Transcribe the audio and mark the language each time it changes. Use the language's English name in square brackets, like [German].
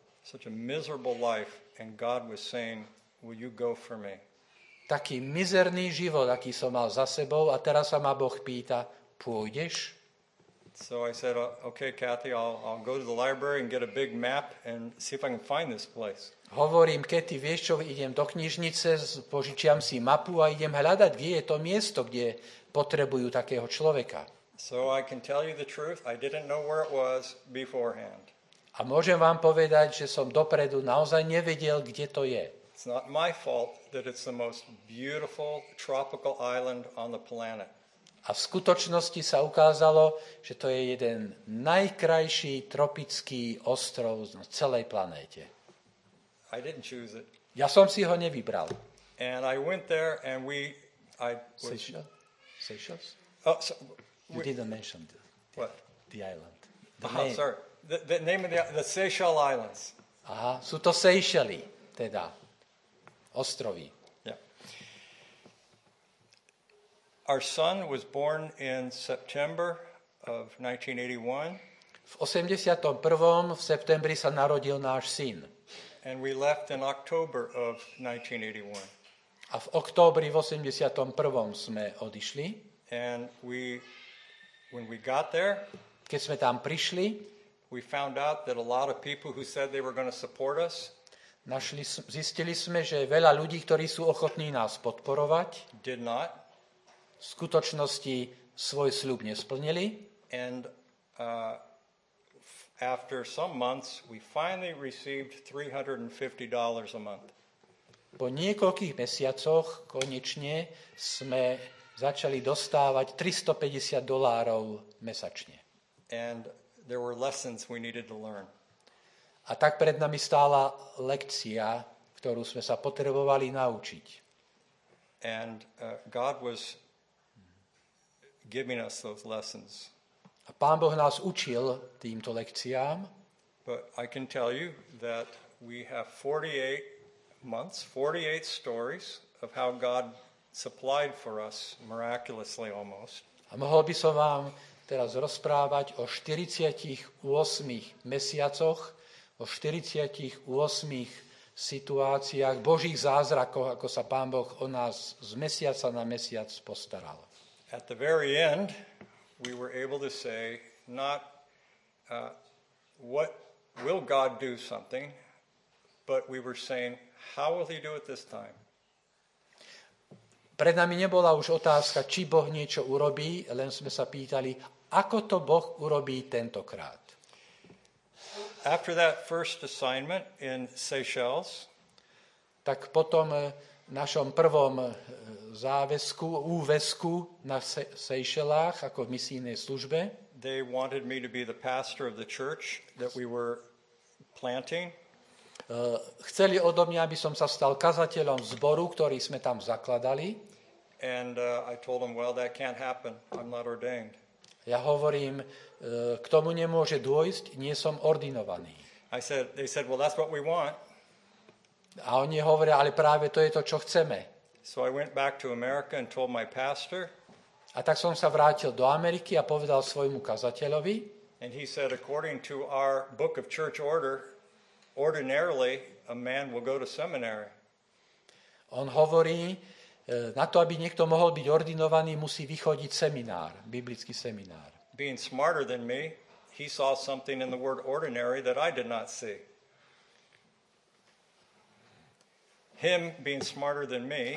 [English] Such a miserable life, and God was saying, "Will you go for me?" [Slovak] Taký mizerný život, aký som mal za sebou, a teraz sa ma Boh pýta, pôjdeš? [English] So I said, "Okay, Kathy, I'll go to the library and get a big map and see if I can find this place." [Slovak] Hovorím, Kathy, vieš čo, idem do knižnice, požičiam si mapu a idem hľadať, kde je to miesto, kde potrebujú takého človeka. [English] So I can tell you the truth, I didn't know where it was beforehand. [Slovak] A môžem vám povedať, že som dopredu naozaj nevedel, kde to je. [English] It's not my fault that it's the most beautiful tropical island on the planet. [Slovak] A v skutočnosti sa ukázalo, že to je jeden najkrajší tropický ostrov na celej planéte. [English] I didn't choose it. [Slovak] Ja som si ho nevybral. [English] And I went there and we I was Seychelles. Oh, so you didn't mention the island. The name. Sorry. The name of the Seychelles Islands. [Slovak] Aha, sú to Seychelles, teda ostrovy. [English] Our son was born in September of 1981. [Slovak] V 81. v septembri sa narodil náš syn. [English] And we left in October of 1981. [Slovak] A v októbri v 81. sme odišli. [English] And we when we got there, [Slovak] keď sme tam prišli, [English] we found out that a lot of people who said they were going to support us, [Slovak] zistili sme, že veľa ľudí, ktorí sú ochotní nás podporovať, [English] did not. [Slovak] V skutočnosti svoj sľub nesplnili. [English] And after some months we finally received $350 a month. [Slovak] Po niekoľkých mesiacoch konečne sme začali dostávať $350 mesačne. [English] And there were lessons we needed to learn. [Slovak] A tak pred nami stála lekcia, ktorú sme sa potrebovali naučiť. [English] And God was giving us those lessons. [Slovak] A Pán Boh nás učil týmto lekciám. [English] But I can tell you that we have 48 months, 48 stories of how God supplied for us miraculously almost. [Slovak] A mohol by som vám teraz rozprávať o 48 mesiacoch, o 48 situáciách Božích zázrakov, ako sa Pán Boh o nás z mesiaca na mesiac postaral. [English] At the very end we were able to say not what will God do something, but we were saying how will he do it this time. [Slovak] Pred nami nebola už otázka, či Boh niečo urobí, len sme sa pýtali, ako to Boh urobí tentokrát. [English] After that first assignment in Seychelles, [Slovak] tak potom našom prvom záväzku, úväzku na Seychelles ako v misijnej službe. [English] They wanted me to be the pastor of the church that we were planting. [Slovak] Chceli odo mňa, aby som sa stal kazateľom zboru, ktorý sme tam zakladali. [English] And I told them, well, that can't happen. I'm not ordained. [Slovak] Ja hovorím, k tomu nemôže dôjsť, nie som ordinovaný. [English] They said, well, that's what we want. [Slovak] A oni hovoria, ale práve to je to, čo chceme. [English] So I went back to America and told my pastor. [Slovak] A tak som sa vrátil do Ameriky a povedal svojmu kazateľovi. [English] And he said, according to our book of church order, ordinarily a man will go to seminary. [Slovak] On hovorí, na to, aby niekto mohol byť ordinovaný, musí vychodiť seminár, biblický seminár. [English] Being smarter than me, he saw something in the word ordinary that I did not see. Him being smarter than me.